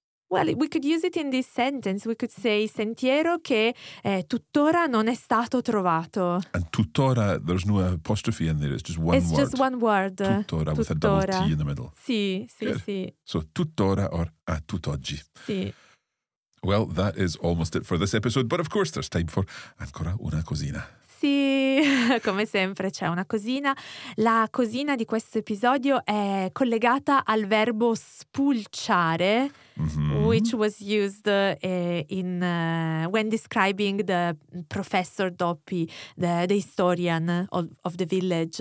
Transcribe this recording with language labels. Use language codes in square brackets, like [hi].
[en] Well, we could use it in this sentence. We could say [it] sentiero che tuttora non è stato trovato. [en] And tuttora, there's no apostrophe in there. It's just one it's word. It's just one word. Tuttora, with a double T in the middle. [it] Sì, sì, good. Sì. [en] So tuttora or a tutt'oggi. [it] Sì. [en] Well, that is almost it for this episode, but of course there's time for [it] ancora una cosina. Sì, come sempre c'è una cosina. La cosina di questo episodio è collegata al verbo spulciare, mm-hmm. [en] which was used when describing the professor Doppi, the historian of the village.